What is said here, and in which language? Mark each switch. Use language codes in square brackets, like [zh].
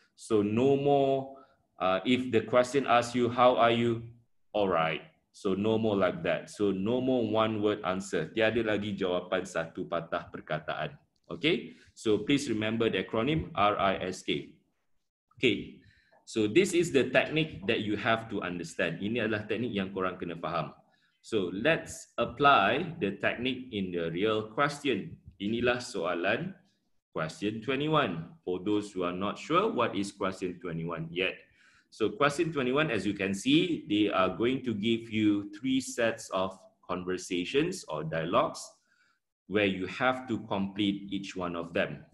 [en] So no more, if the question asks you, how are you? All right. So no more like that. So no more one word answer. [ms] Tiada lagi jawapan satu patah perkataan. Okay. [en] So please remember the acronym RISK. Okay. So this is the technique that you have to understand. [ms] Ini adalah teknik yang korang kena faham. [en] So let's apply the technique in the real question. [ms] Inilah soalan question 21. [en] For those who are not sure what is question 21 yet. So question 21, as you can see, they are going to give you three sets of conversations or dialogues where you have to complete each one of them.